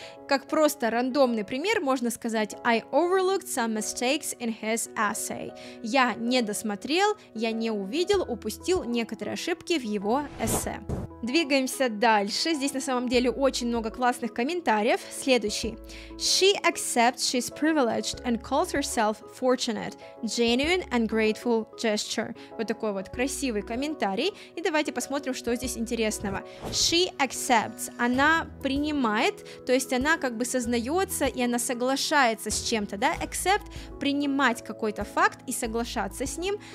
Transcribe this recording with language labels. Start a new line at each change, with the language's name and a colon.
Russian: Как просто рандомный пример, можно сказать
English: I overlooked some mistakes in his essay.
Russian: Я не досмотрел, я не увидел, упустил некоторые ошибки в его эссе. Двигаемся дальше. Здесь на самом деле очень много классных комментариев. Следующий.
English: She accepts she's privileged and calls herself fortunate. Genuine and grateful gesture.
Russian: Вот такой вот красивый комментарий. И давайте посмотрим, что здесь интересного.
English: She accepts.
Russian: Она принимает, то есть она как бы сознается и она соглашается с чем-то, да? Accept — принимать какой-то факт и соглашаться с ним.